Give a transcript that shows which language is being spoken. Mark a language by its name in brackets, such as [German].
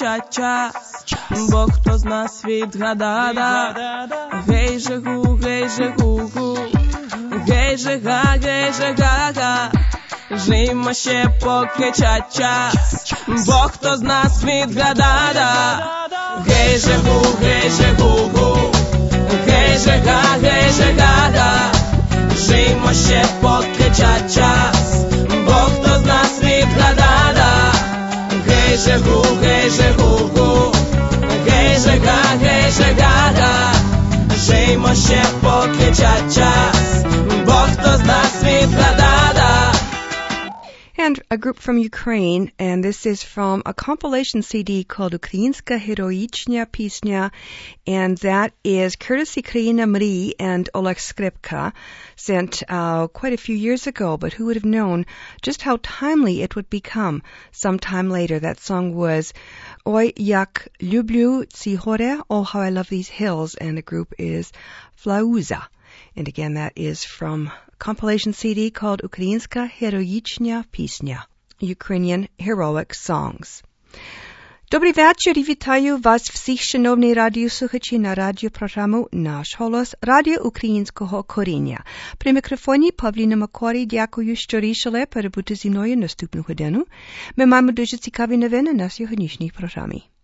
[Ukrainian] Час, бо хто з нас відгадада. Гей же гу, гей же гу гу, гей же га, гей же га га. Жимо ще поки час, бо хто з нас відгадада. Гей же гу, гей же гу гу, гей же га, гей же га га. Жимо ще поки час, бо хто з нас відгадада. Гей же гу, гей же гу гу, гей же га, гей же га га. Жимо ще поки час, бо хто з нас відгадада. [English] And a group from Ukraine, and this is from a compilation CD called Ukrainska Heroichnya Pisnya, and that is courtesy Kraina Mri and Oleg Skripka, sent quite a few years ago, but who would have known just how timely it would become some time later. That song was Oy Yak Lyublyu Tsi Hore, Oh How I Love These Hills, and the group is Flauza. And again, that is from compilation CD called Ukrainska Heroichnya Pisnya, Ukrainian Heroic Songs. [Ukrainian] Добрий вечір і вітаю вас всіх, шановні радіослухачі, на радіопрограму «Наш голос» Радіо Українського коріння. При мікрофоні Павліна Макорі, дякую, що рішили перебути зі мною наступну годину. Ми маємо дуже цікаві новини на сьогоднішній програмі.